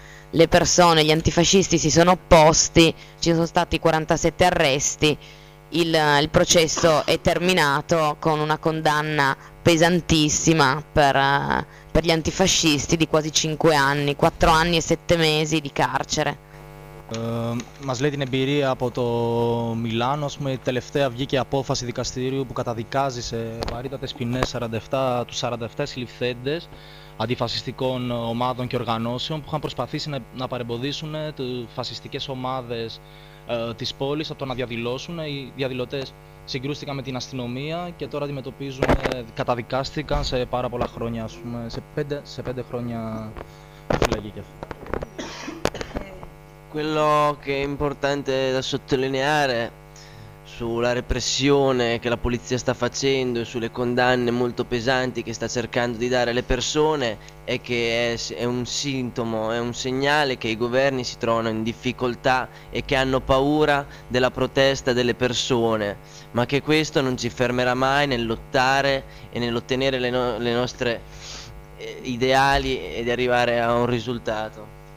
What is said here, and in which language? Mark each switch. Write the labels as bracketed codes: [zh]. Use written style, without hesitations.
[it] le persone, gli antifascisti si sono opposti, ci sono stati 47 arresti, il processo è terminato con una condanna pesantissima per gli antifascisti di quasi 5 anni, 4 anni e 7 mesi di carcere. [el] Μας λέει την εμπειρία από το Μιλάνο, ας πούμε, η τελευταία βγήκε απόφαση δικαστηρίου που καταδικάζει σε βαρύτατες ποινές 47, τους 47 συλληφθέντες αντιφασιστικών ομάδων και οργανώσεων που είχαν προσπαθήσει να παρεμποδίσουν τις φασιστικές ομάδες της πόλης από το να διαδηλώσουν. Οι διαδηλωτές συγκρούστηκαν με την αστυνομία και τώρα αντιμετωπίζουν, καταδικάστηκαν σε πάρα πολλά χρόνια, ας πούμε, σε πέντε χρόνια φυλακή. [it] Quello che è importante da sottolineare sulla repressione che la polizia sta facendo e sulle condanne molto pesanti che sta cercando di dare alle persone è che è un sintomo, è un segnale che i governi si trovano in difficoltà e che hanno paura della protesta delle persone, ma che questo non ci fermerà mai nel lottare e nell'ottenere le nostre ideali e di arrivare a un risultato.